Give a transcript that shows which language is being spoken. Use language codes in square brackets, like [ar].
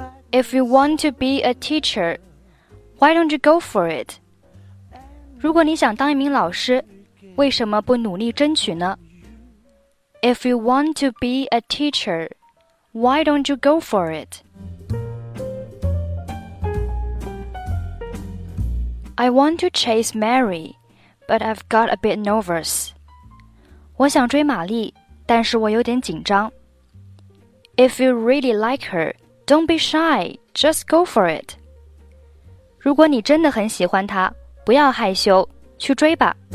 [en] If you want to be a teacher, why don't you go for it? [zh] 如果你想当一名老师，为什么不努力争取呢？ [en] If you want to be a teacher, why don't you go for it? I want to chase Mary, but I've got a bit nervous. [zh] 我想追玛丽，但是我有点紧张。 [en] If you really like her, don't be shy, just go for it. [zh] 如果你真的很喜欢她，不要害羞，去追吧。